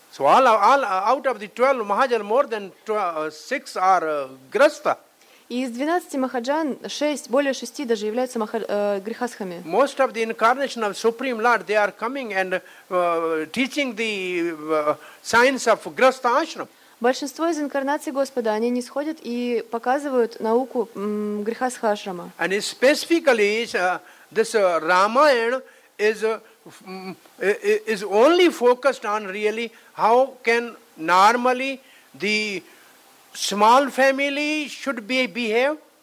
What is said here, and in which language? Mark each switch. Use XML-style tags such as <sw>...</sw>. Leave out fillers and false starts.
<en>So all out of the 12 mahajan, more than 6 are grastha.</en> <ru>И из 12 махаджан, 6, более 6 даже являются грихасхами.</ru> <en>Most of the incarnation of Supreme Lord, they are coming and teaching the science of grastha ashram.</en> <ru>Большинство из инкарнаций Господа, они нисходят и показывают науку грихасха ашрама.</ru> <en>And specifically, this Ramayana is only focused on really how can normally the small family should behave?</en>